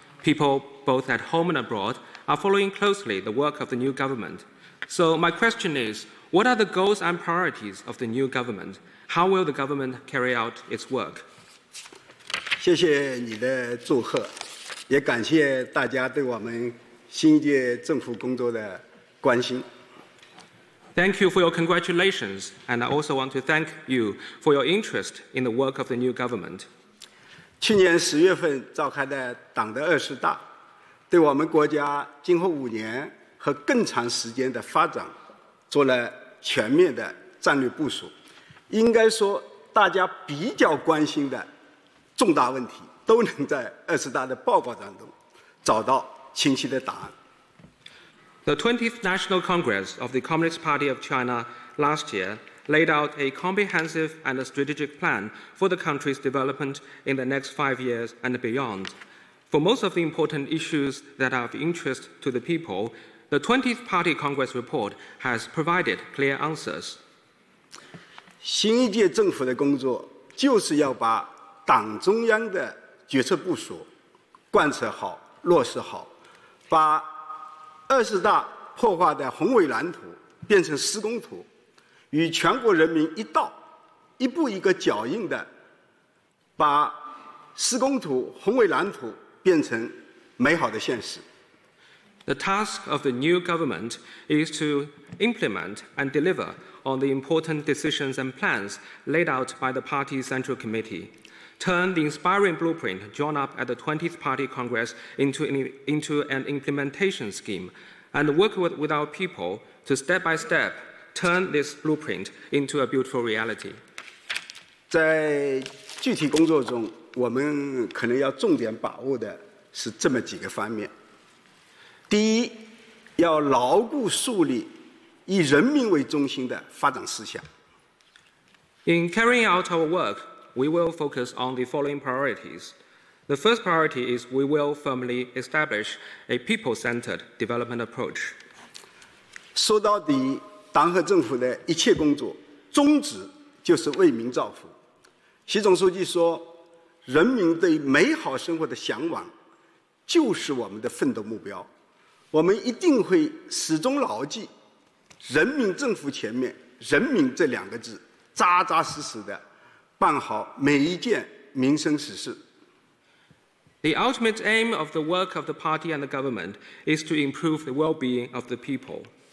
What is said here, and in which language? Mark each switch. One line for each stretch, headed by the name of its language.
English: People, both at home and abroad, are following closely the work of the new government. So my question is, what are the goals and priorities of the new government? How will the government carry out its work?
Chinese: 谢谢你的祝贺，也感谢大家对我们新一届政府工作的关心。
English: Thank you for your congratulations, and I also want to thank you for your interest in the work of the new government.
Chinese: 去年十月份召开的党的二十大，对我们国家今后五年和更长时间的发展做了全面的战略部署。应该说，大家比较关心的重大问题，都能在二十大的报告当中找到清晰的答案。
English: The 20th National Congress of the Communist Party of China last year laid out a comprehensive and a strategic plan for the country's development in the next 5 years and beyond. For most of the important issues that are of interest to the people, the 20th Party Congress report has provided clear answers.
Chinese: 新一届政府的工作就是要把党中央的决策部署贯彻好、落实好，把二十大破坏的宏伟蓝图变成施工图，与全国人民一道，一步一个脚印的，把施工图、宏伟蓝图变成美好的现实。
English: The task of the new government is to implement and deliver on the important decisions and plans laid out by the Party Central Committee. Turn the inspiring blueprint drawn up at the 20th Party Congress into an implementation scheme and work with our people to step by step turn this blueprint into a beautiful reality.
Chinese: 在具体工作中，我们可能要重点把握的是这么几个方面。第一，要牢固树立以人民为中心的发展思想。
English: In carrying out our work, we will focus on the following priorities. The first priority is we will firmly establish a people-centered development approach.
Chinese: 说到底，党和政府的一切工作宗旨就是为民造福。习总书记说，人民对美好生活的向往就是我们的奋斗目标。我们一定会始终牢记人民政府前面人民这两个字，扎扎实实地办好每一件民生实事。
English: The ultimate aim of the work of the party and the government is to improve the well-being of the people.